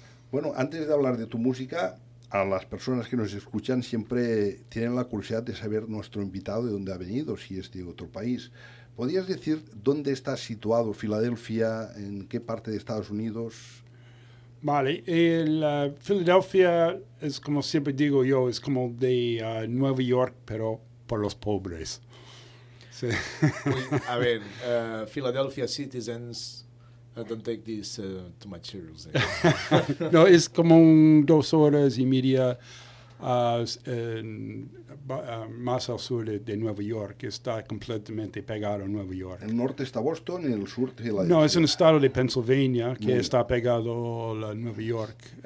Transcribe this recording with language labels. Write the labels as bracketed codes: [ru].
[es] Bueno, antes de hablar de tu música, a las personas que nos escuchan siempre tienen la curiosidad de saber nuestro invitado de dónde ha venido, si es de otro país. ¿Podrías decir dónde está situado Filadelfia, en qué parte de Estados Unidos? Vale, Filadelfia es como siempre digo yo, es como de Nueva York, pero por los pobres. Sí. [en] I mean, Philadelphia citizens, I don't take this too much seriously. [es] No, es como 2 horas y media más al sur de Nueva York. Está completamente pegado a Nueva York. ¿El norte está Boston y el sur Philadelphia? No, es un estado de Pennsylvania que está pegado a Nueva York.